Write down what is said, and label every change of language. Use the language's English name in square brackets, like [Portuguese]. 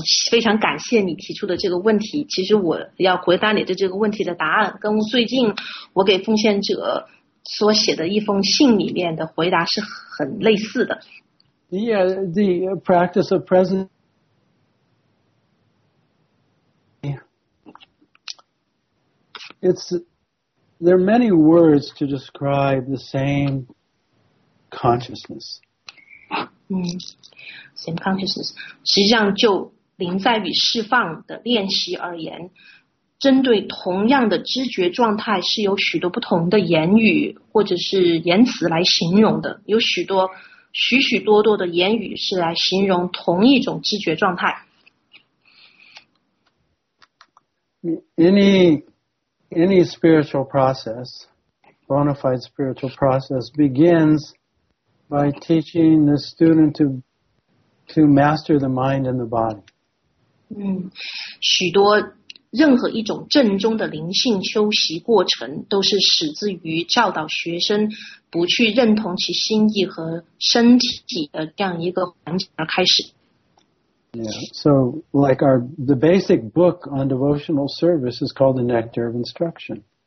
[Chinese] 非常感谢你提出的这个问题。其实我要回答你的这个问题的答案跟最近我给奉献者所写的一封信里面的回答是很类似的。 [English] Yeah, the practice of present there are many words to describe the same consciousness. Same consciousness. [Chinese] 实际上就临在与释放的练习而言，针对同样的知觉状态是有许多不同的言语或者是言辞来形容的，有许多许许多多的言语是来形容同一种知觉状态。 [English] Any spiritual process, bona fide spiritual process begins by teaching the student to master the mind and the body. [Chinese] 许多任何一种正宗的灵性修习过程都是始自于教导学生不去认同其心意和身体的这样一个环境而开始。 [English] Yeah, so like the basic book on devotional service is called The Nectar of Instruction.